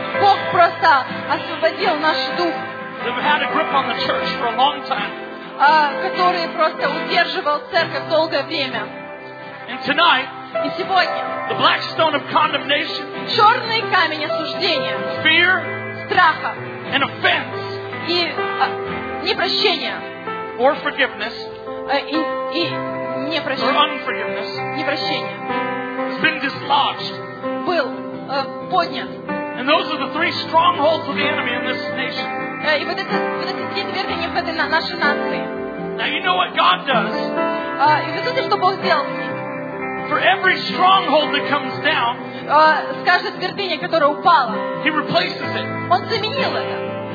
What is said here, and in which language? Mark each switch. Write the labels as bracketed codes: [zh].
[ru] Бог просто освободил наш дух. [en] That had a grip on the church for a long time. [ru] Который просто удерживал церковь долгое время. [en] And tonight. [ru] И сегодня. [en] The black stone of condemnation. [ru] Черный камень осуждения. [en] Fear. [ru] Страха. [en] And offense. [ru] И непрощения. [en] Or forgiveness. [ru] И непрощение. [en] Has been dislodged. [ru] Был поднят. [en] And those are the three strongholds of the enemy in this nation. [ru] И вот эти три твердыни в этой нашей нации. [en] Now you know what God does. [ru] И вы знаете, что Бог делает с ним. [en] For every stronghold that comes down. [ru] С каждой твердыней, которая упала. [en] He replaces it. [ru] Он заменил это.